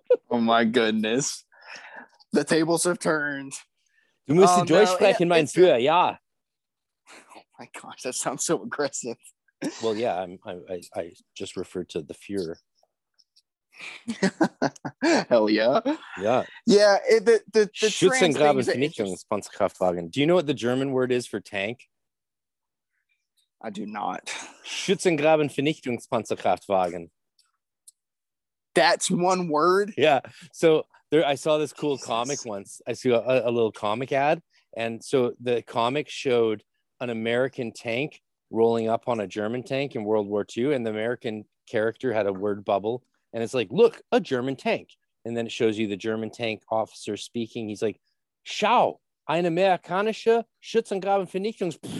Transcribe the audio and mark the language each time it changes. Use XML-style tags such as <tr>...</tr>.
<en>Oh my goodness. The tables have turned. You must have</en> <de>Deutsch sprechen, mein Führer,</de> <en>yeah. Oh my gosh, that sounds so aggressive. Well, yeah, I just referred to the Führer. Hell yeah. Yeah. Yeah, the Schützengraben Vernichtungspanzerkraftwagen. Do you know what the German word is for tank? I do not. Schützengraben Vernichtungspanzerkraftwagen. That's one word? Yeah, so... There, I saw this cool comic once. I saw a little comic ad. And so the comic showed an American tank rolling up on a German tank in World War II. And the American character had a word bubble. And it's like, look, a German tank. And then it shows you the German tank officer speaking.</en> <de>He's like, schau, ein amerikanischer Schützengraben Vernichtungs.</de>